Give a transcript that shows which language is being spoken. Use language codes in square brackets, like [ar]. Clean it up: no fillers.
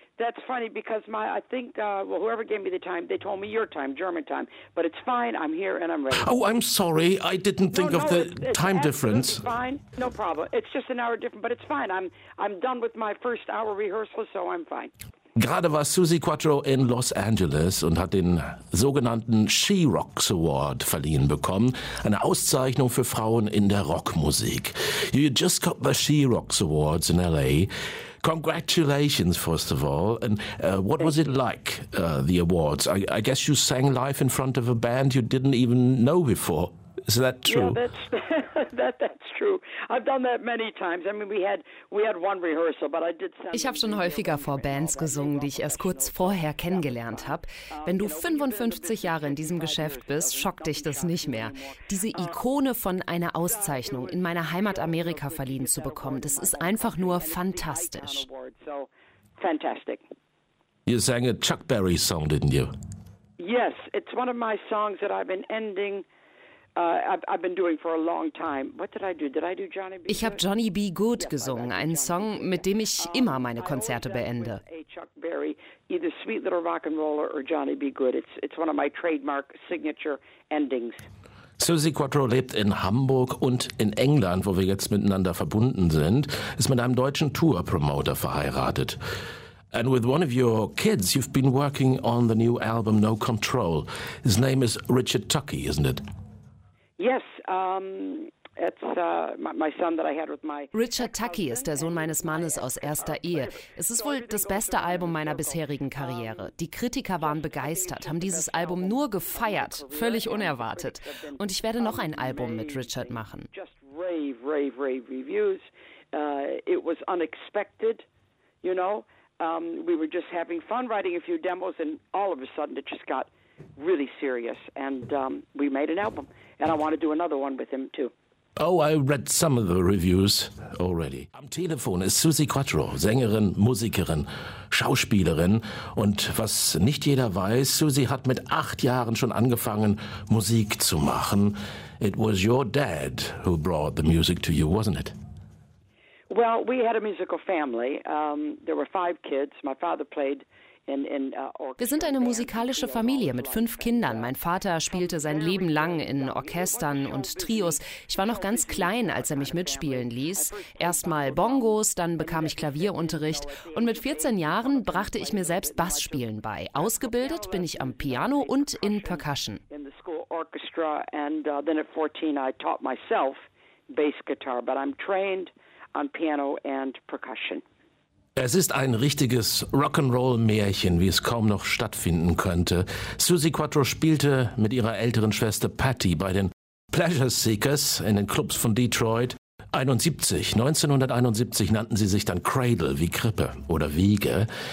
[en] That's funny because whoever gave me the time, they told me your time, German time. But it's fine. I'm here and I'm ready. Oh, I'm sorry. I didn't think of the time difference. It's fine. No problem. It's just an hour different, but it's fine. I'm done with my first hour rehearsal, so I'm fine. [de] Gerade war Susie Quattro in Los Angeles und hat den sogenannten She Rocks Award verliehen bekommen, eine Auszeichnung für Frauen in der Rockmusik. [en] You just got the She Rocks Awards in L.A. Congratulations, first of all. And what was it like, the awards? I guess you sang live in front of a band you didn't even know before. Is that true? Yeah, that's true. I've done that many times. I mean, we had one rehearsal, but I did sing. [de] Ich habe schon häufiger vor Bands gesungen, die ich erst kurz vorher kennengelernt habe. Wenn du 55 Jahre in diesem Geschäft bist, schockt dich das nicht mehr. Diese Ikone von einer Auszeichnung in meiner Heimat Amerika verliehen zu bekommen, das ist einfach nur fantastisch. [en] Fantastic. You sang a Chuck Berry song, didn't you? Yes, it's one of my songs that I've been ending. I've been doing for a long time. What did I do? Did I do Johnny B. [de] Ich habe Johnny B. Good gesungen, einen Song, mit dem ich immer meine Konzerte beende. [en] Chuck Berry, either Sweet Little Rock and Roller or Johnny B. Good. It's one of my trademark signature endings. [de] Susie Quattro lebt in Hamburg und in England, wo wir jetzt miteinander verbunden sind, ist mit einem deutschen Tour-Promoter verheiratet. [en] And with one of your kids, you've been working on the new album No Control. His name is Richard Tucky, isn't it? Yes, it's my son that I had with my [de] Richard Tucky ist der Sohn meines Mannes aus erster Ehe. Es ist wohl das beste Album meiner bisherigen Karriere. Die Kritiker waren begeistert, haben dieses Album nur gefeiert, völlig unerwartet. Und ich werde noch ein Album mit Richard machen. [en] Just rave reviews. It was unexpected, you know. We were just having fun writing a few demos and all of a sudden it just got really serious and we made an album. And I want to do another one with him, too. Oh, I read some of the reviews already. [de] Am Telefon ist Susie Quattro, Sängerin, Musikerin, Schauspielerin. Und was nicht jeder weiß, Susie hat mit 8 Jahren schon angefangen, Musik zu machen. [en] It was your dad who brought the music to you, wasn't it? Well, we had a musical family. There were 5 kids. My father played. [de] Wir sind eine musikalische Familie mit 5 Kindern. Mein Vater spielte sein Leben lang in Orchestern und Trios. Ich war noch ganz klein, als er mich mitspielen ließ. Erstmal Bongos, dann bekam ich Klavierunterricht. Und mit 14 Jahren brachte ich mir selbst Bassspielen bei. Ausgebildet bin ich am Piano und in Percussion. [en] In the school orchestra and then at 14 I taught myself bass guitar, but I'm trained on piano and percussion. [de] Es ist ein richtiges Rock'n'Roll-Märchen, wie es kaum noch stattfinden könnte. Susie Quattro spielte mit ihrer älteren Schwester Patty bei den Pleasure Seekers in den Clubs von Detroit. 1971 nannten sie sich dann Cradle, wie Krippe oder Wiege.